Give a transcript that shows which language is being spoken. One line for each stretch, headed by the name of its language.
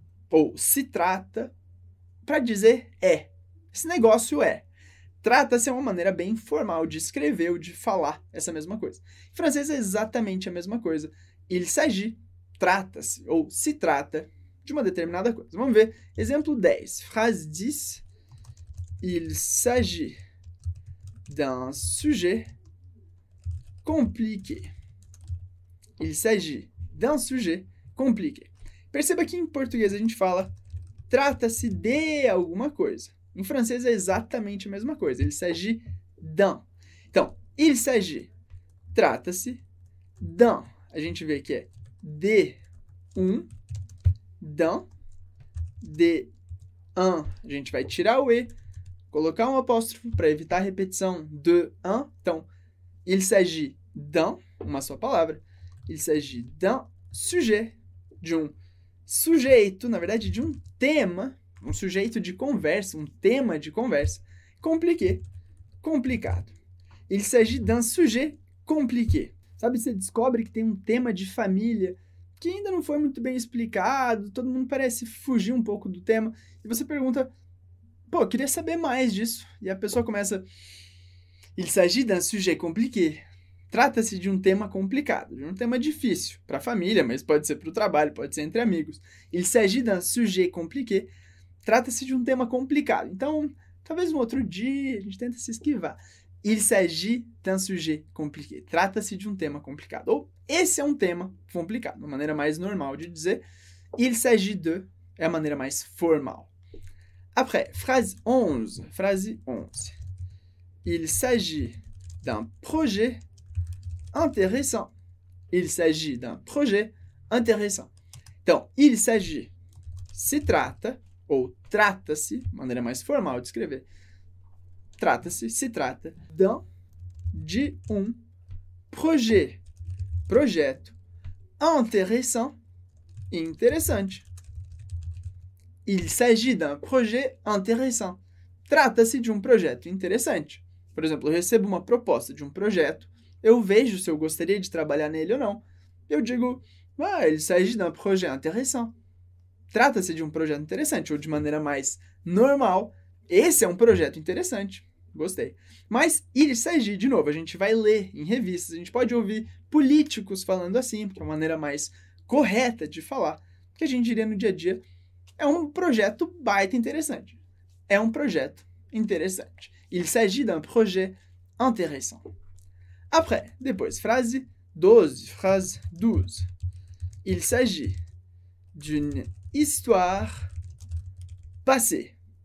Portuguese: Ou se trata, para dizer é. Esse negócio é. Trata-se é uma maneira bem formal de escrever ou de falar essa mesma coisa. Em francês é exatamente a mesma coisa. Il s'agit, trata-se, ou se trata de uma determinada coisa. Vamos ver. Exemplo 10.
French: Phrase 10. Il s'agit d'un sujet compliqué. Il s'agit d'un sujet compliqué.
Portuguese: Perceba que em português a gente fala trata-se de alguma coisa. Em francês é exatamente a mesma coisa.
French: Il s'agit d'un.
Portuguese: Então,
French: il s'agit, trata-se d'un.
Portuguese: A gente vê que é de um, d'un, de un. A gente vai tirar o e, colocar um apóstrofo para evitar a repetição de un. Então, il s'agit d'un, uma só palavra.
French: Il s'agit d'un sujet,
Portuguese: de um sujeito, na verdade, de um tema, um sujeito de conversa, um tema de conversa, compliqué, complicado.
French: Il s'agit d'un sujet compliqué.
Portuguese: Sabe, você descobre que tem um tema de família que ainda não foi muito bem explicado, todo mundo parece fugir um pouco do tema, e você pergunta, pô, eu queria saber mais disso. E a pessoa começa,
French: il s'agit d'un sujet compliqué.
Portuguese: Trata-se de um tema complicado, de um tema difícil para a família, mas pode ser para o trabalho, pode ser entre amigos.
French: Il s'agit d'un sujet compliqué.
Portuguese: Trata-se de um tema complicado. Então, Talvez um outro dia a gente tenta se esquivar.
French: Il s'agit d'un sujet compliqué.
Portuguese: Trata-se de um tema complicado. Ou esse é um tema complicado, uma maneira mais normal de dizer. Il s'agit de é a maneira mais formal.
French: Après, phrase 11. Phrase 11. Il s'agit d'un projet intéressant. Il s'agit d'un projet intéressant.
Portuguese: Então, il s'agit, se trata, ou trata-se, maneira mais formal de escrever, trata-se, se trata, de um projet, projeto intéressant, interessante.
French: Il s'agit d'un projet intéressant.
Portuguese: Trata-se de um projeto interessante. Por exemplo, eu recebo uma proposta de um projeto, eu vejo se eu gostaria de trabalhar nele ou não. Eu digo, ah,
French: il s'agit d'un projet intéressant.
Portuguese: Trata-se de um projeto interessante, ou de maneira mais normal, esse é um projeto interessante. Gostei. Mas il s'agit, de novo, a gente vai ler em revistas, a gente pode ouvir políticos falando assim, porque é uma maneira mais correta de falar, que a gente diria no dia a dia. É um projeto baita interessante. É um projeto interessante.
French: Il s'agit d'un projet intéressant. Après,
Portuguese: depois,
French: phrase 12. Phrase 12. Il s'agit d'une histoire passée.